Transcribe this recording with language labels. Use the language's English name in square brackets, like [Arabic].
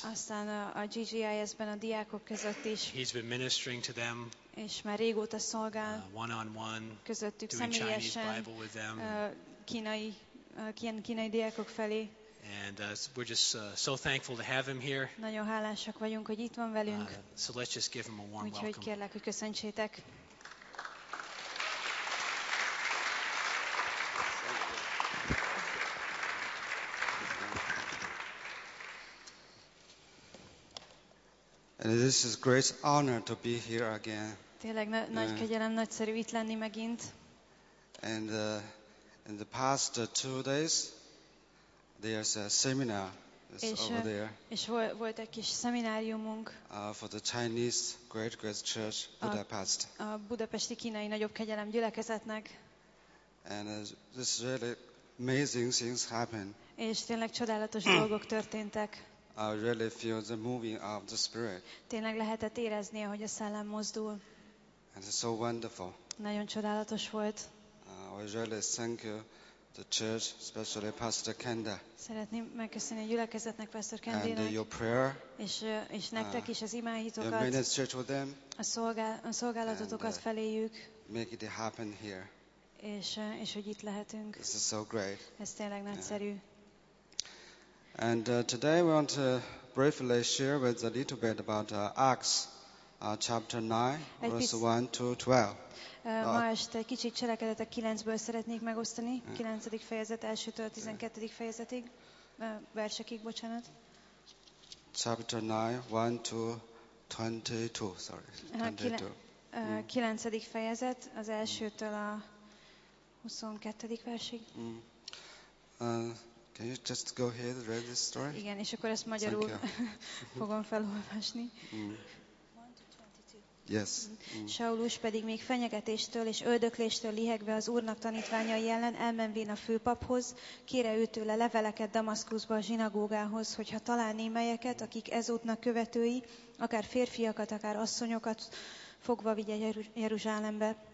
[Hungarian] Aztán a GGIS-ben a diákok között is. [English] He's been ministering to them. [Hungarian] És már régóta szolgál. [English] One-on-one. [Hungarian] Közöttük [English] doing [Hungarian] személyesen. [English] Chinese Bible with them. [Hungarian] Kínai diákok felé. [English] And we're just so thankful to have him here. [Hungarian] Nagyon hálásak vagyunk, hogy itt van velünk. [English] So let's just give him a warm welcome. [Hungarian] Úgyhogy kérlek, hogy köszöntsétek. [English] And this is great honor to be here again. [Hungarian] Tényleg nagy kegyelem, nagyszerű itt lenni megint. [English] And in the past two days, there's a seminar over there. [Hungarian] És volt egy kis szemináriumunk. [English] For the Chinese Great Church Budapest. [Hungarian] A budapesti kínai nagyobb kegyelem gyülekezetnek. [English] And this really amazing things happen. [Hungarian] És tényleg csodálatos dolgok történtek. [English] I really feel the moving of the Spirit. [Hungarian] Tényleg lehetett érezni, ahogy a szellem mozdul. [English] And it's so wonderful. [Hungarian] Nagyon csodálatos volt. [English] I really thank you, the church, especially Pastor Kenda. [Hungarian] Szeretném megköszönni a gyülekezetnek, Pastor Kendinek. [English] And your prayer. [Hungarian] És nektek is az imáitokat. [English] Your ministry to them. [Hungarian] A szolgálatotokat [English] and, [Hungarian] feléjük. [English] Make it happen here. [Hungarian] És hogy itt lehetünk. [English] This is so great. [Hungarian] Ez tényleg nagyszerű. [English] And today we want to briefly share with a little bit about Acts chapter 9, verse 1-12. [Hungarian] Ma este kicsit Cselekedetek 9-ből szeretnék megosztani, 9. fejezet, 1-től 12. fejezetig, versekig, bocsánat. [English] Chapter 9, 1-22. [Hungarian] 9. fejezet, az 1-től a 22. versig. [English] Can you just go ahead and read this story? [Hungarian] Igen, és akkor ezt magyarul fogom felolvasni. [English] Yes. [Hungarian] Saulus pedig még fenyegetéstől és öldökléstől lihegve az Úrnak tanítványai ellen elmenvén a főpaphoz, kére ő tőle leveleket Damaszkuszba a zsinagógához, hogyha talál némelyeket, akik ezútnak követői, akár férfiakat, akár asszonyokat fogva vigye Jeruzsálembe.